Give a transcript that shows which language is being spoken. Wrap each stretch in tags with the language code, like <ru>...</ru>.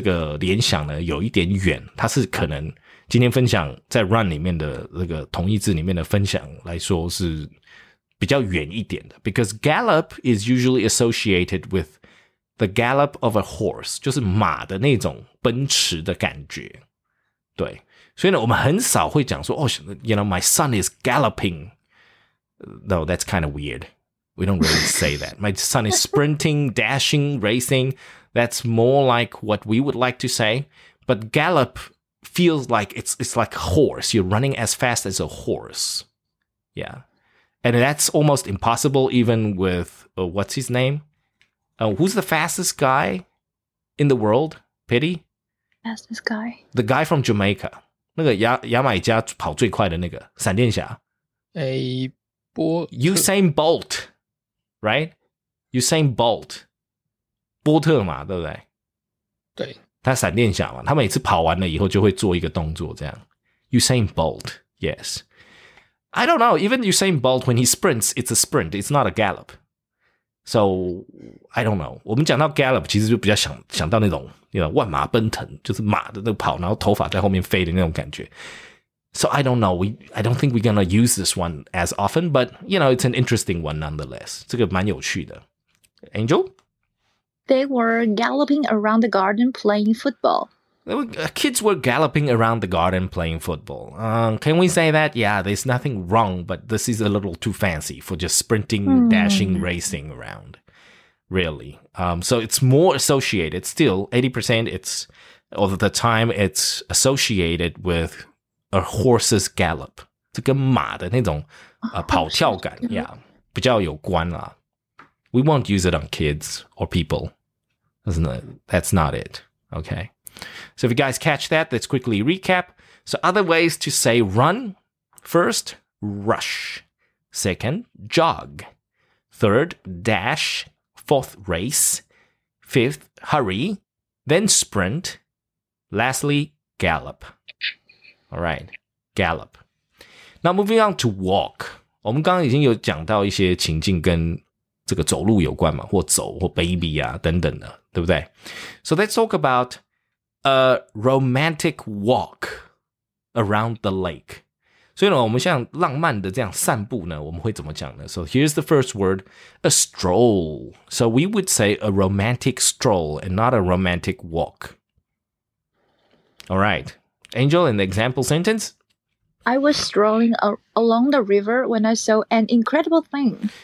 <zh>这个字呢,就比较跟跑步这个联想呢有一点远。它是可能今天分享在run里面的这个同义字里面的分享来说是 比较远一点的,</zh> <en>because gallop is usually associated with the gallop of a horse,</en> <zh>就是马的那种奔驰的感觉, 对, 所以呢, 我们很少会讲说,</zh> <en>oh, you know, my son is galloping. No, that's kind of weird. We don't really say that. My son is sprinting, dashing, racing. That's more like what we would like to say. But gallop feels like it's like a horse. You're running as fast as a horse. Yeah. And that's almost impossible even with, what's his name? Who's the fastest guy in the world? Pity? Fastest guy? The guy from Jamaica.</en> <zh>那个牙买加跑最快的那个, 闪电侠. Usain Bolt, right? Usain Bolt. 波特嘛,对不对? 对。他闪电侠嘛, 他每次跑完了以后就会做一个动作这样.</zh> <en>Usain Bolt, yes. I don't know, even Usain Bolt, when he sprints, it's a sprint, it's not a gallop. So, I don't know.</en> <zh>我们讲到gallop, 其实就比较想到那种, you know, 万马奔腾, 就是马的那个跑, 然后头发在后面飞的那种感觉.</zh> <en>So, I don't know, I don't think we're going to use this one as often, but, you know, it's an interesting one nonetheless.</en> <zh>这个蛮有趣的.Angel?</zh> <en>They were galloping around the garden playing football. Kids were galloping around the garden playing football. Can we say that? Yeah, there's nothing wrong, but this is a little too fancy for just sprinting, dashing, racing around, really. So it's more associated, still, 80% it's, all the time it's associated with a horse's gallop.</en> <zh>这跟马的那种跑跳感, yeah, 比较有关啦.</zh> <en>We won't use it on kids or people. That's not it, okay? So if you guys catch that, let's quickly recap. So other ways to say run. First, rush. Second, jog. Third, dash. Fourth, race. Fifth, hurry. Then sprint. Lastly, gallop. All right, gallop. Now moving on to walk.</en> <zh>我们刚刚已经有讲到一些情境跟这个走路有关嘛, 或走,或baby啊,等等的, 对不对?</zh> <en>So let's talk about a romantic walk around the lake.</en> <zh>所以呢,我们像浪漫的这样散步呢,我们会怎么讲呢?</zh> <en>So here's the first word, a stroll. So we would say a romantic stroll and not a romantic walk. All right. Angel, in the example sentence? I was strolling along the river when I saw an incredible thing.</en>